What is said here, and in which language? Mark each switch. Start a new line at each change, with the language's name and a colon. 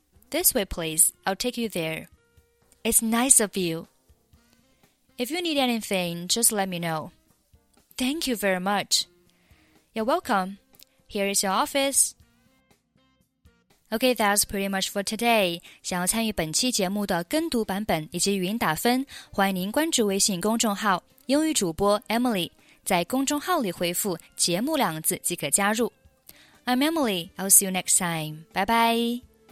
English: This way, please. I'll take you there. It's nice of you. If you need anything, just let me know. Thank you very much. You're welcome. Here is your office. Okay, that's pretty much for today.
Chinese: 想要参与本期节目的跟读版本以及语音打分，欢迎您关注微信公众号英语主播 Emily， 在公众号里回复节目两字即可加入。
English: I'm Emily. I'll see you next time. Bye bye.